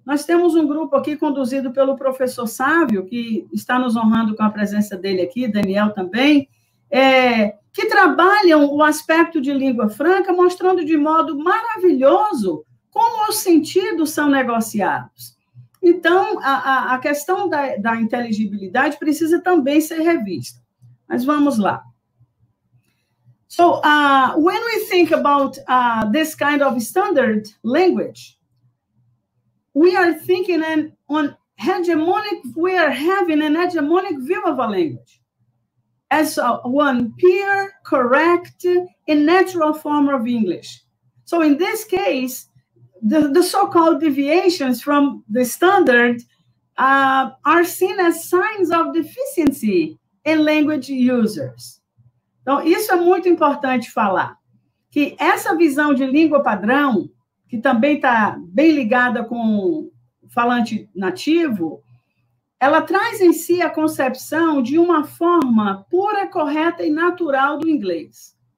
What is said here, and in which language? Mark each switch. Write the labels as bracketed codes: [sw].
[pt] Nós temos um grupo aqui conduzido pelo professor Sávio, que está nos honrando com a presença dele aqui, Daniel também, que trabalham o aspecto de língua franca, mostrando de modo maravilhoso como os sentidos são negociados. Então, a questão da inteligibilidade precisa também ser revista. Mas vamos lá. [en] So, when we think about this kind of standard language, we are thinking on hegemonic, we are having an hegemonic view of a language as one pure, correct, and natural form of English. So in this case, the so-called deviations from the standard are seen as signs of deficiency in language users. [pt] Então, isso é muito importante falar, que essa visão de língua padrão, que também está bem ligada com falante nativo, ela traz em si a concepção de uma forma pura, correta e natural do inglês.